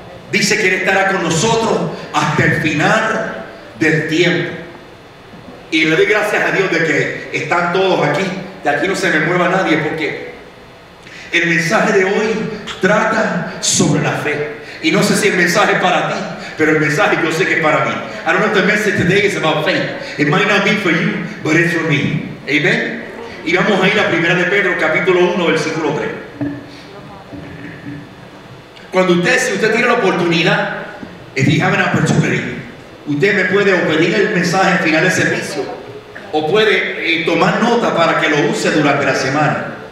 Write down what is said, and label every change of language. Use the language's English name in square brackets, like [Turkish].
[Spanish] Dice que Él estará con nosotros hasta el final del tiempo. Y le doy gracias a Dios de que están todos aquí, de aquí no se me mueva nadie, porque el mensaje de hoy trata sobre la fe. Y no sé si el mensaje es para ti, pero el mensaje yo sé que es para mí. [English] I don't know if the message today is about faith. It might not be for you, but it's for me. Amen. [Spanish] Y vamos a ir a 1 de Pedro, capítulo 1, versículo 3. Cuando usted, si usted tiene la oportunidad, [English] if you have an opportunity, [Spanish] usted me puede o pedir el mensaje al final del servicio, o puede tomar nota para que lo use durante la semana.